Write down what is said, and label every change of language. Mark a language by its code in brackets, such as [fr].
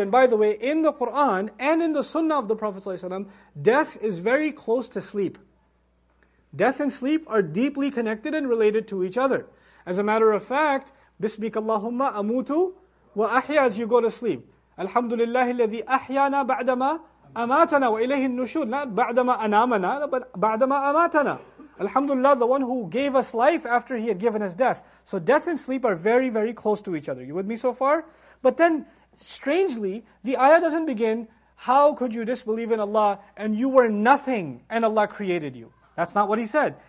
[en] And by the way, in the Qur'an and in the sunnah of the Prophet ﷺ, death is very close to sleep. Death and sleep are deeply connected and related to each other. As a matter of fact, [ar] بِسْمِكَ اللَّهُمَّ أَمُوتُ وَأَحْيَا, [en] as you go to sleep. [ar] الْحَمْدُ لِلَّهِ الَّذِي أَحْيَانَا بَعْدَمَا أَمَاتَنَا وَإِلَيْهِ النُّشُورِ. [en] Not [ar] بَعْدَمَا أَنَامَنَا, [en] but [ar] بَعْدَمَا أَمَاتَنَا. [en] Alhamdulillah, the one who gave us life after he had given us death. So death and sleep are very, very close to each other. You with me so far? But then, strangely, the ayah doesn't begin, how could you disbelieve in Allah and you were nothing and Allah created you? That's not what he said.